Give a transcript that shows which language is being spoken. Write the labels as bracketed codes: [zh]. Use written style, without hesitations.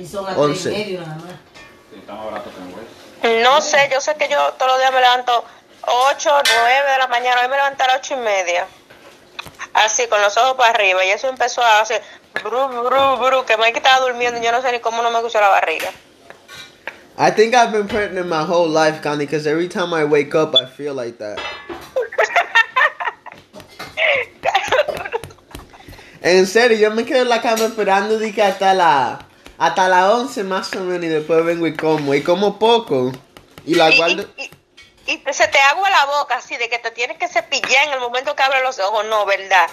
[es] Y son a 11. 3 y medio nada más. No sé, yo sé que yo todos los días me levanto 8, 9 de la mañana. Hoy me levanté a las 8 y media. Así, con los ojos para arriba. Y eso empezó a hacer bru, bru, bru, que me estaba durmiendo y yo no sé ni cómo no me escuchó la barriga. [en] I think I've been pregnant my whole life, Connie, because every time I wake up, I feel like that. [es] En serio, yo me quedo en la cama esperando de que hasta la 11 más o menos y después vengo y como poco. Y la guardo. Y se te agua la boca así de que te tienes que cepillar en el momento que abres los ojos, no, ¿verdad?